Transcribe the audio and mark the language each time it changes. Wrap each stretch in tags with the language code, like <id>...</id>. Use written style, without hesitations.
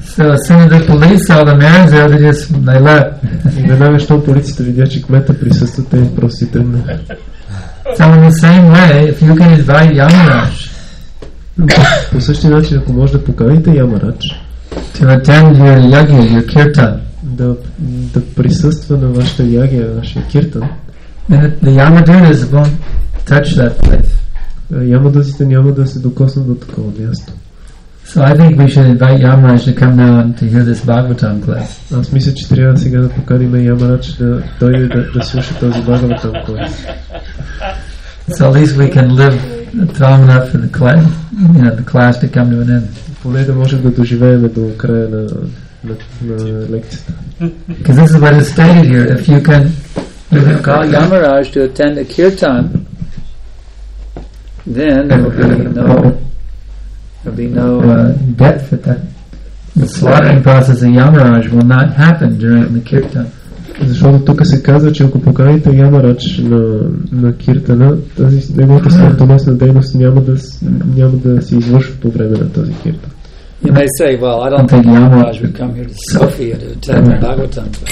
<en>So as soon as the police saw the mayor, they left.</en> <bg>Веднага, щом полицията видя, че кмета присъства, те просто тръгнаха.</bg> <en>So in the same way, if you can invite Yamaraj,</en> <bg>по същия начин, ако може да поканите Ямарадж,</bg> <en>to attend your yagya, your kirtan,</en> <bg>да присъства на вашата ягия, вашия киртан,</bg> <en>and the Yamadutas won't touch that place.</en> <bg>Ямадутите няма да се докоснат до такова място.</bg> <en>So I think we should invite Yamaraj to come now and to hear this Bhagavatam class.</en> <bg>Аз мисля, че трябва сега да поканим Ямарадж да дойде да слуша този Бхагаватам клас.</bg> <en>So at least we can live long enough for the class to come to an end.</en> <bg>Поне да можем да доживеем до края на лекцията.</bg> <en>Because this is what is stated here. If you can call Yamaraj to attend a kirtan, then there will be no death for that. The slaughtering process of Yamaraj will not happen during the kirtan.</en> <bg>Защото тук се казва, че ако поканите Ямарадж на киртана, тази неговата смъртоносна дейност няма да се извършва по време на този киртан.</bg> <en>You may say, well, I don't think Yamaraj would come here to Sofia to attend the Bhagavatam.</en>